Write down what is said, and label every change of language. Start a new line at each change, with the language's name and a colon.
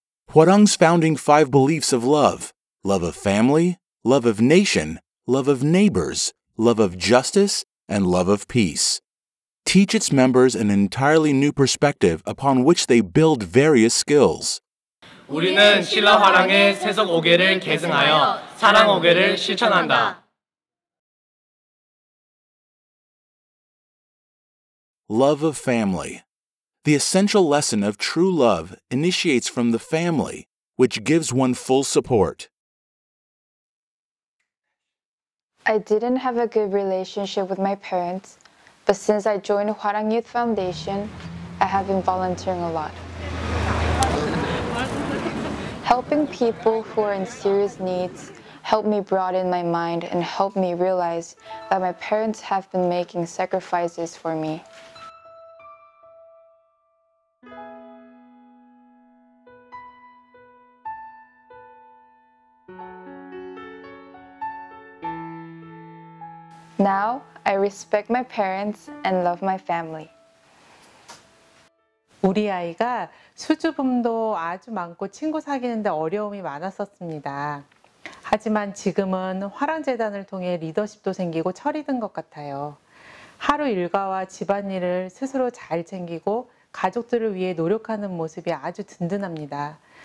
English: Hwarang's founding five beliefs of love: love of family, love of nation, love of neighbors, love of justice, and love of peace. Teach its members an entirely new perspective upon which they build various skills.
Korean: 우리는 신라 화랑의 세속 5계를 계승하여 사랑 5계를 실천한다.
English: Love of family. The essential lesson of true love initiates from the family, which gives one full support. I didn't have a good relationship with my parents, but since I joined Hwarang Youth Foundation, I have been volunteering a lot. Helping people who are in serious needs helped me broaden my mind and helped me realize that my parents have been making sacrifices for me. Now, I respect my parents and love my family.
Korean: 우리 아이가 수줍음도 아주 많고 친구 사귀는데 어려움이 많았었습니다. 하지만 지금은 화랑재단을 통해 리더십도 생기고 철이 든 것 같아요. 하루 일과와 집안일을 스스로 잘 챙기고 가족들을 위해 노력하는 모습이 아주 든든합니다.